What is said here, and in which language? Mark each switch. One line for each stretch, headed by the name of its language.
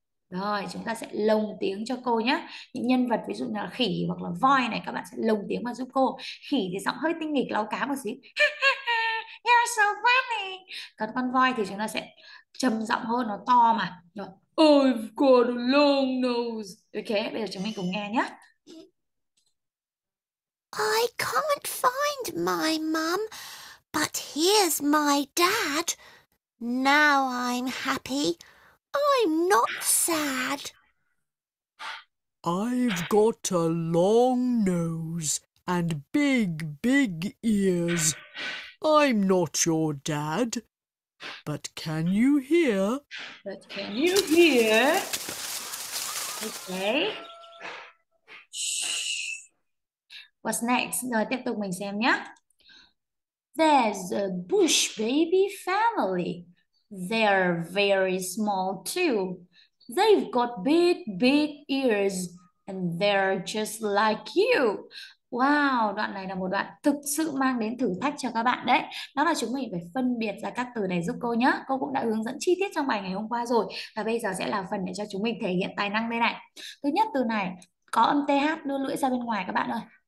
Vietnamese: Rồi, chúng ta sẽ lồng tiếng cho cô nhé. Những nhân vật ví dụ như là khỉ hoặc là voi này, các bạn sẽ lồng tiếng vào giúp cô. Khỉ thì giọng hơi tinh nghịch, láo cá một xíu.
English: You're so funny.
Vietnamese: Còn con voi thì chúng ta sẽ trầm giọng hơn, nó to mà. Rồi.
English: I've got a long nose.
Vietnamese: Ok, bây giờ chúng mình cùng nghe nhé.
English: I can't find my mum, but here's my dad. Now I'm happy. I'm not sad. I've got a long nose and big, big ears. I'm not your dad. But can you hear? But can you hear? Okay. What's next?
Vietnamese: Rồi tiếp tục mình xem nhé.
English: There's a bush baby family. They're very small too. They've got big, big ears, and they're just like you.
Vietnamese: Wow, đoạn này là một đoạn thực sự mang đến thử thách cho các bạn đấy. Đó là chúng mình phải phân biệt ra các từ này giúp cô nhé. Cô cũng đã hướng dẫn chi tiết trong bài ngày hôm qua rồi. Và bây giờ sẽ là phần để cho chúng mình thể hiện tài năng đây này. Thứ nhất, từ này có âm TH đưa lưỡi ra bên ngoài các bạn ơi.